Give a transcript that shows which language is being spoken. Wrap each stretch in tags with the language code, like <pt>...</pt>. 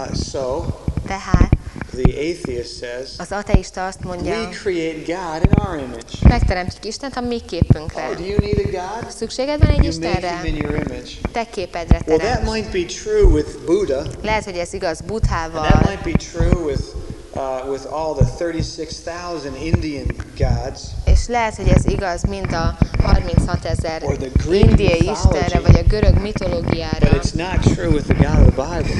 <en>So.</en> <hu>Tehát.</hu> <en>The atheist says.</en> <hu>Az ateista azt mondja.</hu> <en>We create God in our image.</en> <hu>Megteremtjük Istent a mi képünkre.</hu> <en>Oh, do you need a God?</en> <hu>Szükséged van egy Istenre?</hu> <en>You make Him in your image.</en> <hu>Te képedre teremts.</hu> <en>Well, that might be true with Buddha.</en> <hu>Lehet, hogy ez igaz Buddhával.</hu> <en>And that might be true with all the 36,000 Indian gods.</en> <hu>És lehet, hogy ez igaz mind a 36,000 indiai istenre, vagy a görög mitológiára.</hu> <en>But it's not true with the God of the Bible.</en>